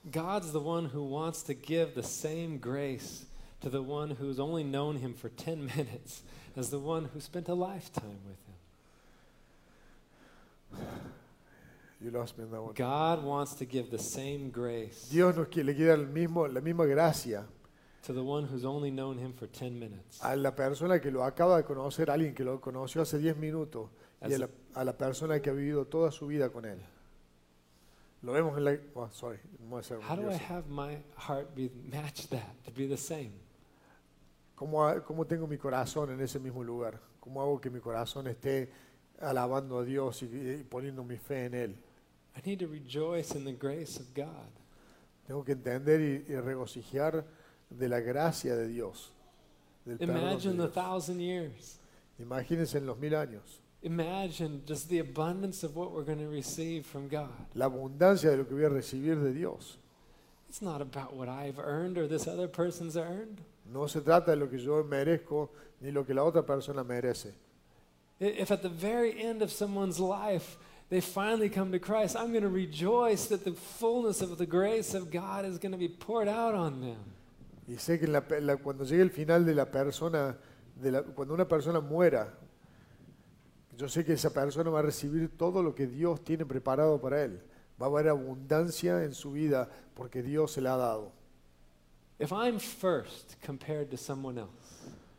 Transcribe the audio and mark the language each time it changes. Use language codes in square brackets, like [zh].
[en] God's the one who wants to give the same grace to the one who's only known him for 10 minutes as the one who spent a lifetime with him. You lost me in that one. God wants to give the same grace. [es] Dios nos quiere dar la misma gracia. [en] To the one who's only known him for 10 minutes. [es] A la persona que lo acaba de conocer, alguien que lo conoció hace 10 minutos. Y a la persona que ha vivido toda su vida con él. Lo vemos en la. [en] How do I have my heart be match that to be the same? [es] ¿Cómo tengo mi corazón en ese mismo lugar? ¿Cómo hago que mi corazón esté alabando a Dios y poniendo mi fe en él? [en] I need to rejoice in the grace of God. [es] Tengo que entender y regocijar de la gracia de Dios. Del [en] Imagine [es] de Dios. [en] The 1,000 years. [es] Imagínense en los 1,000 años. [en] Imagine just the abundance of what we're going to receive from God. [es] La abundancia de lo que voy a recibir de Dios. [en] It's not about what I've earned or this other person's earned. [es] No se trata de lo que yo merezco ni lo que la otra persona merece. [en] If at the very end of someone's life they finally come to Christ, I'm going to rejoice that the fullness of the grace of God is going to be poured out on them. [es] Y sé que cuando llegue el final de la persona, cuando una persona muera, yo sé que esa persona va a recibir todo lo que Dios tiene preparado para él. Va a haber abundancia en su vida porque Dios se la ha dado. [en] If I'm first compared to someone else,